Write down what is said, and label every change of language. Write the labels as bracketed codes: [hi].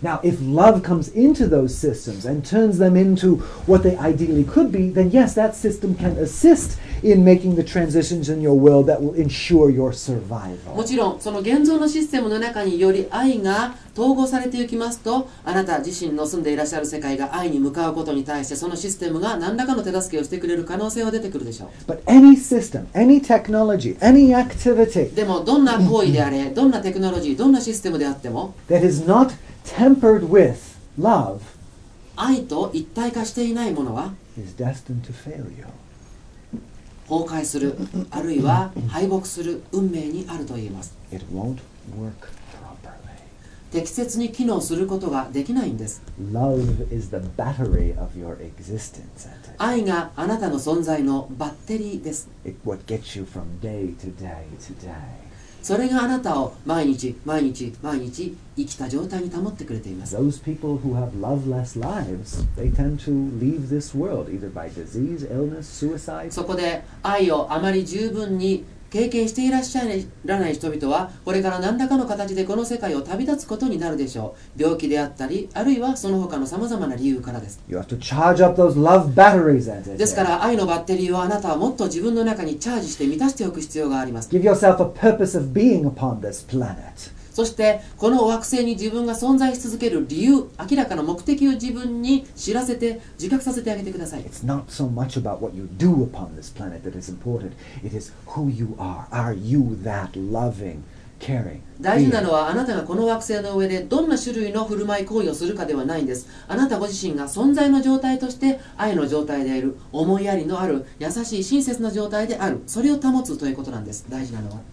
[en] Now, if love comes into those systems and turns them into what they ideally could be, then yes, that system can assist in making the transitions in your world that will ensure your survival. [ja] もちろん、その現存のシステムの中により愛が統合されていきますと、あなた自身の住んでいらっしゃる世界が愛に向かうことに対して、そのシステムが何らかの手助けをしてくれる可能性は出てくるでしょう。 [en] But any system, any technology, any activity, [ja] でもどんな行為であれ、どんなテクノロジー、どんなシステムであっても、 [en] that is not tempered with love, [ja] 愛と一体化していないものは、 [en] is destined to failure. [ja] 崩壊する、あるいは敗北する運命にあると言います。 [en] It won't work properly. [ja] 適切に機能することができないんです。 [en] Love is the battery of your existence. [ja] 愛があなたの存在のバッテリーです。 [en] It what gets you from day to day to day. [ja] それがあなたを毎日毎日毎日生きた状態に保ってくれています。 [en] Those people who have loveless lives, they tend to leave this world either by disease, illness, suicide. [ja] そこで愛をあまり十分に経験していらっしゃらない人々は、これから何らかの形でこの世界を旅立つことになるでしょう。病気であったり、あるいはその他のさまざまな理由からです。 [en] You have to charge up those love batteries, isn't it? [ja] ですから、愛のバッテリーをあなたはもっと自分の中にチャージして満たしておく必要があります。 [en] Give yourself a purpose of being upon this planet. [ja] そして、この惑星に自分が存在し続ける理由、明らかな目的を自分に知らせて、自覚させてあげてください。 [en] It's not so much about what you do upon this planet that is important. It is who you are. Are you that loving, caring? [ja] 大事なのは、あなたがこの惑星の上でどんな種類の振る舞い行為をするかではないんです。あなたご自身が存在の状態として愛の状態である、思いやりのある、優しい親切な状態である、それを保つということなんです。大事なのは。